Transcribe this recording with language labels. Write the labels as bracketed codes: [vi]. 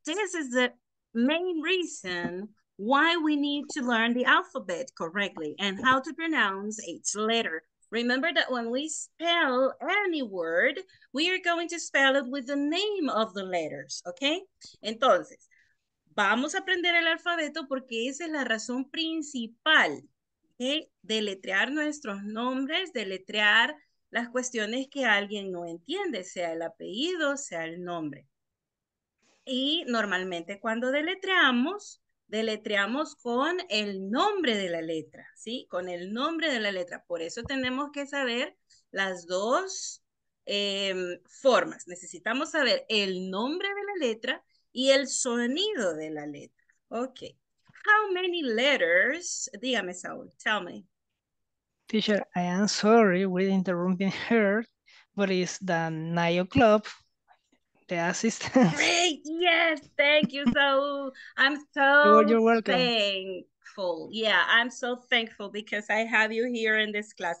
[en] This is the main reason why we need to learn the alphabet correctly and how to pronounce each letter. Remember that when we spell any word, we are going to spell it with the name of the letters, okay? [es] Entonces, vamos a aprender el alfabeto porque esa es la razón principal, okay? Deletrear nuestros nombres, deletrear las cuestiones que alguien no entiende, sea el apellido, sea el nombre. Y normalmente cuando deletreamos, deletreamos con el nombre de la letra, ¿sí? Con el nombre de la letra. Por eso tenemos que saber las dos formas. Necesitamos saber el nombre de la letra y el sonido de la letra. [en] Ok. How many letters? [es] Dígame, [en] Saúl. Tell me. Teacher, I am sorry with interrupting her, but it's the 9 o'clock. The assistant. Great. Yes. Thank you, Saul. I'm so thankful. Yeah, I'm so thankful because I have you here in this class.